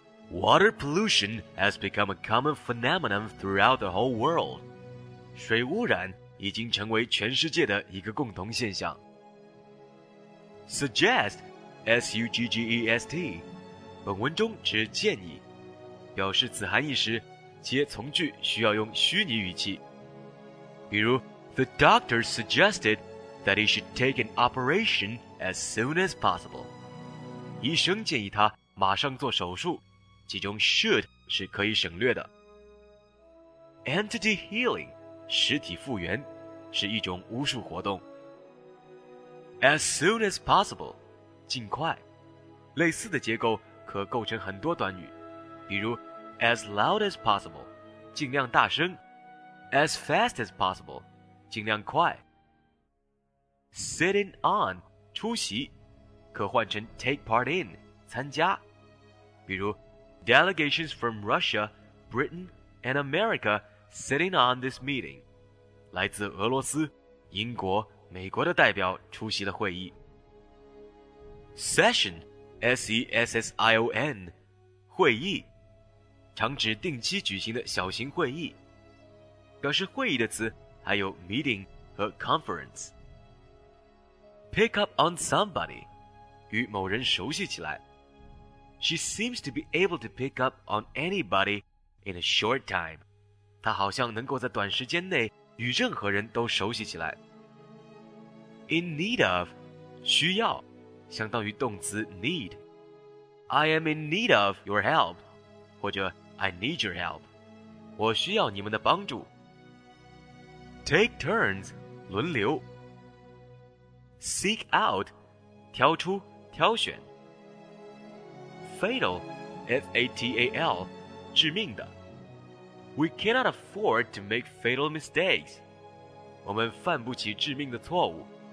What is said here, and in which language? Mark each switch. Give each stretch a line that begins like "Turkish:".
English: Water pollution has become a common phenomenon throughout the whole world，
Chinese: 水污染已经成为全世界的一个共同现象。
English: Suggest， S-U-G-G-E-S-T，
Chinese: 本文中指建议，表示此含义时接从句需要用虚拟语气，比如
English: The doctor suggested that he should take an operation as soon as possible，
Chinese: 医生建议他马上做手术，其中 should 是可以省略的。
English: Entity healing，
Chinese: 实体复原，是一种巫术活动。
English: As soon as possible，
Chinese: 尽快。类似的结构可构成很多短语，比如
English: As loud as possible，
Chinese: 尽量大声。
English: As fast as possible，
Chinese: 尽量快。
English: Sitting on，
Chinese: 出席，可换成
English: take part in，
Chinese: 参加，比如
English: Delegations from Russia, Britain, and America sitting on this meeting.
Chinese: 来自俄罗斯、英国、美国的代表出席了会议。
English: Session, S-E-S-S-I-O-N,
Chinese: 会议，常指定期举行的小型会议。表示会议的词还有 meeting 和 conference.
English: Pick up on somebody,
Chinese: 与某人熟悉起来。
English: She seems to be able to pick up on anybody in a short time.
Chinese: 她好像能够在短时间内与任何人都熟悉起来。
English: In need of,
Chinese: 需要，相当于动词 need.
English: I am in need of your help,
Chinese: 或者
English: I need your help.
Chinese: 我需要你们的帮助。
English: Take turns,
Chinese: 轮流。
English: Seek out,
Chinese: 挑出，挑选。
English: Fatal, F-A-T-A-L,
Chinese: 致命的。
English: We cannot afford to make fatal mistakes.
Chinese: 我们犯不起致命的错误。